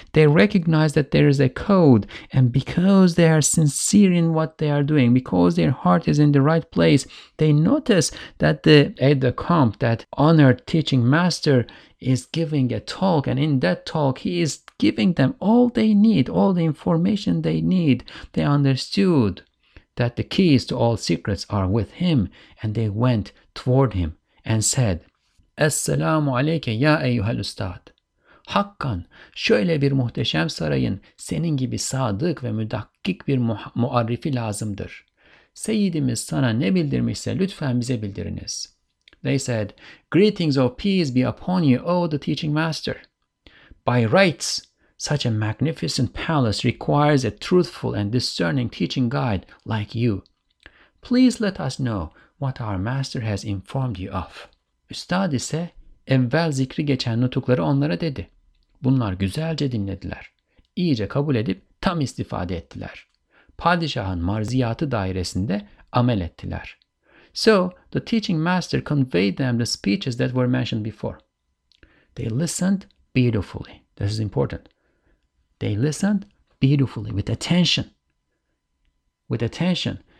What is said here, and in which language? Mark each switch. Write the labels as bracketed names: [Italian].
[English] They recognize that there is a code, and because they are sincere in what they are doing, because their heart is in the right place, they notice that the aide-de-camp, that honored teaching master, is giving a talk, and in that talk he is giving them all they need, all the information they need. They understood that the keys to all secrets are with him, and they went toward him and said, [Arabic] "Esselamu aleyke ya eyyuhel ustad. [Turkish] Hakkan, şöyle bir muhteşem sarayın senin gibi sadık ve müdakkik bir muarrifi lazımdır. Seyyidimiz sana ne bildirmişse lütfen bize bildiriniz." [English] They said, "Greetings of peace be upon you, O the teaching master. By rights, such a magnificent palace requires a truthful and discerning teaching guide like you. Please let us know what our master has informed you of." [Turkish] Üstad ise evvel zikri geçen nutukları onlara dedi. Bunlar güzelce dinlediler. İyice kabul edip tam istifade ettiler. Padişahın marziyatı dairesinde amel ettiler. [English] So the teaching master conveyed them the speeches that were mentioned before. They listened beautifully. This is important. They listened beautifully, with attention. With attention.